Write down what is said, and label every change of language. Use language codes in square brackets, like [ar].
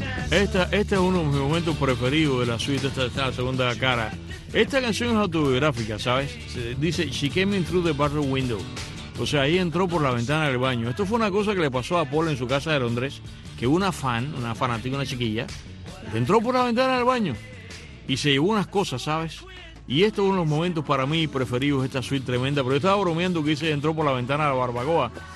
[es] Este es uno de mis momentos preferidos de la suite, esta segunda cara. Esta canción es autobiográfica, ¿sabes? [en] Dice, She came in through the bathroom window. [es] O sea, ahí entró por la ventana del baño. Esto fue una cosa que le pasó a Paul en su casa de Londres, que una fanática, una chiquilla, entró por la ventana del baño y se llevó unas cosas, ¿sabes? Y este es uno de los momentos para mí preferidos, esta suite tremenda. Pero yo estaba bromeando que dice, entró por la ventana de la barbacoa.